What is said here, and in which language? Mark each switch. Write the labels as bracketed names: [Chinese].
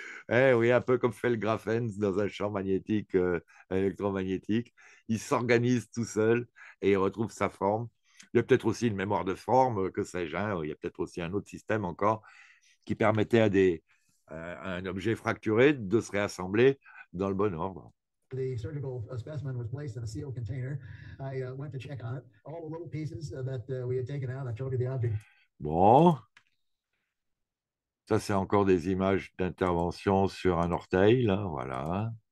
[French] Eh oui, un peu comme fait le graphène dans un champ magnétique, électromagnétique. Il s'organise tout seul et il retrouve sa forme. Il y a peut-être aussi une mémoire de forme, que sais-je. Hein, il y a peut-être aussi un autre système encore qui permettait à un objet fracturé de se réassembler dans le bon ordre. [English] The surgical specimen was placed in a sealed container. I went to check on it. All the little pieces that we had taken out, I showed you the object. [French] Bon. Ça, c'est encore des images d'intervention sur un orteil, là, voilà.